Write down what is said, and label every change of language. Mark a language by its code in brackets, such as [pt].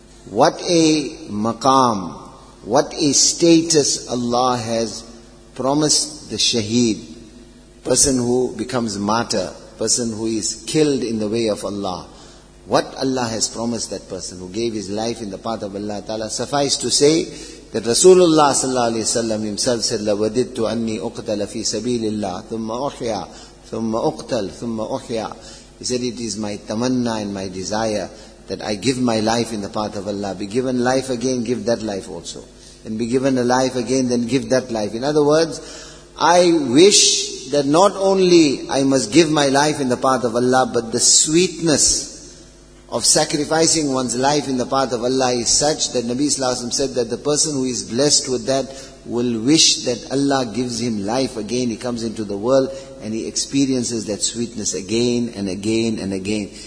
[en] what a maqam, what a status Allah has promised the shaheed, person who becomes martyr, person who is killed in the way of Allah. What Allah has promised that person who gave his life in the path of Allah Ta'ala. Suffice to say that Rasulullah sallallahu alaihi wasallam himself said, [ar] لَوَدِدْتُ أَنِّي أُقْتَلَ فِي سَبِيلِ اللَّهِ ثُمَّ أُحْيَى ثُمَّ أُقْتَلْ ثُمَّ أُحْيَى. [en] He said, it is my tamanna and my desire that I give my life in the path of Allah. Be given life again, give that life also. And be given a life again, then give that life. In other words, I wish that not only I must give my life in the path of Allah, but the sweetness of sacrificing one's life in the path of Allah is such that Nabi Sallallahu Alaihi Wasallam said that the person who is blessed with that will wish that Allah gives him life again. He comes into the world and he experiences that sweetness again and again and again.